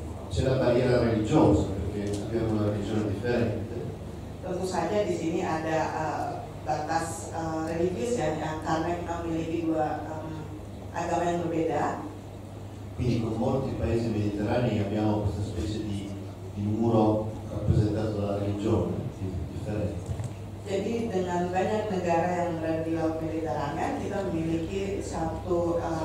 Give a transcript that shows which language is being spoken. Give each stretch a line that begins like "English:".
Italian: c'è la barriera religiosa perché abbiamo una religione differente.
Indonesian: Tentu saja di sini ada batas religius ya, karena kita memiliki dua agama yang berbeda.
Italian: Quindi con molti paesi mediterranei abbiamo questa specie di muro rappresentato dalla religione differente.
Indonesian: Jadi dengan banyak negara yang berada di Laut Mediterania, kita memiliki satu